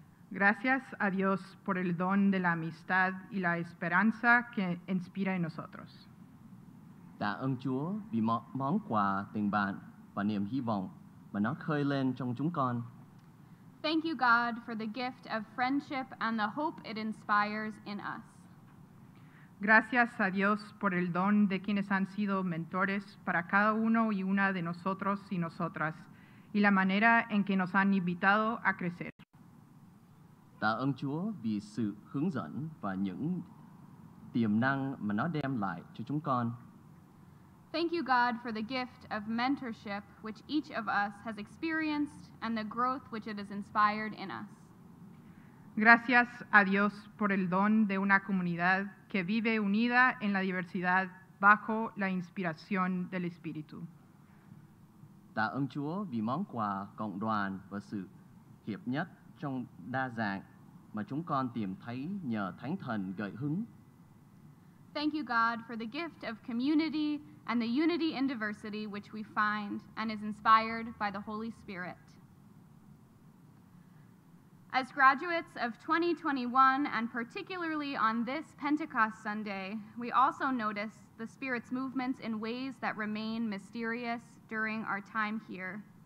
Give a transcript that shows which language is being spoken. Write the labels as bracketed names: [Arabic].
[Spanish] Gracias a Dios por el don de la amistad y la esperanza que inspira en nosotros. [Vietnamese] Ta ơn Chúa vì món quà tình bạn và niềm hy vọng mà nó khơi lên trong chúng con. [English] Thank you, God, for the gift of friendship and the hope it inspires in us. [Spanish] Gracias a Dios por el don de quienes han sido mentores para cada uno y una de nosotros y nosotras y la manera en que nos han invitado a crecer. [Vietnamese] Tạ ơn Chúa vì sự hướng dẫn và những tiềm năng mà nó đem lại cho chúng con. [English] Thank you, God, for the gift of mentorship which each of us has experienced and the growth which it has inspired in us. [Spanish] Gracias a Dios por el don de una comunidad que vive unida en la diversidad bajo la inspiración del Espíritu. [Vietnamese] Tạ ơn Chúa vì món quà cộng đoàn và sự hiệp nhất trong đa dạng mà chúng con tìm thấy nhờ Thánh Thần gợi hứng. [English] Thank you, God, for the gift of community and the unity in diversity which we find and is inspired by the Holy Spirit. As graduates of 2021, and particularly on this Pentecost Sunday, we also notice the Spirit's movements in ways that remain mysterious during our time here.